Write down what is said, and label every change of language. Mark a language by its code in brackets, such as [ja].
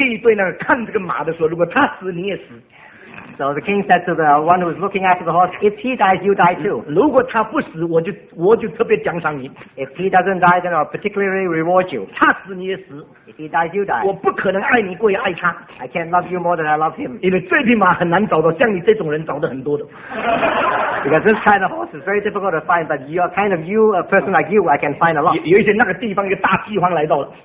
[zh] 所以呢，皇帝对那个看这个马的说，如果他死，你也死. [en] So the king said to the one who was looking after the horse, if he dies, you die too. [zh] 如果他不死，我就特别奖赏你. [en] If he doesn't die, then I'll particularly reward you. [zh] 他死你也死. [en] If he dies, you die. [zh] 我不可能爱你过于爱他. [en] I can't love you more than I love him. [zh] 因为这匹马很难找到，像你这种人找的很多的. [en] Because this kind of horse is very difficult to find, but you're kind of you, a person like you, I can find a lot. [zh] 有一天那个地方一个大饥荒来到了.